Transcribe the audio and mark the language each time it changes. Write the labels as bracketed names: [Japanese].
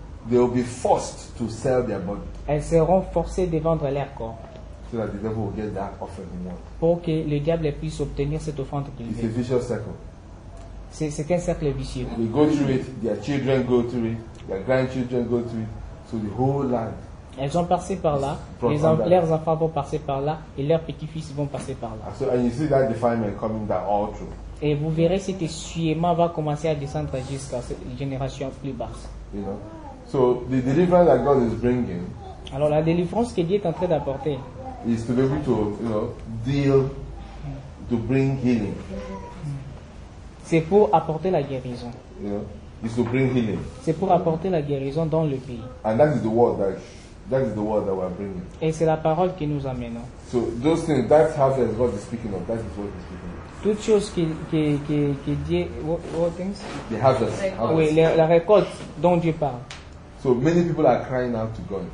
[English] They will be forced to sell their body. [French] Elles seront forcées de vendre leur corps. [English] So that the devil will get that offering he wants. [French] Pour que le diable puisse obtenir cette offrande qu'il [English] veut. It's a vicious circle. [French] C'est un cercle vicieux. [English] They go through it, their children go through it, their grandchildren go through it, so the whole land. [French] Elles ont passé par là, leurs enfants vont passer par là, et leurs petits-fils vont passer par là. [English] And you see that defilement coming down all through. [French] Et vous verrez cet essuiement va commencer à descendre jusqu'à cette génération plus basse. [English] You know? So the deliverance that God is bringing. [French] Alors la délivrance que Dieu est en train d'apporter. [English] Is to be able to, you know, deal to bring healing. [French] C'est pour apporter la guérison. [English] It's to bring healing. [French] C'est pour apporter la guérison dans le pays. [English] And that is the word that is the word that we are bringing. [French] Et c'est la parole qui nous amène. [English] So those things, that's how that God is speaking of. That is what he's speaking of. [French] Toutes choses qui dit, [English] what things? The harvest. [French] Oui, la récolte dont Dieu parle. [English] So many people are crying out to God.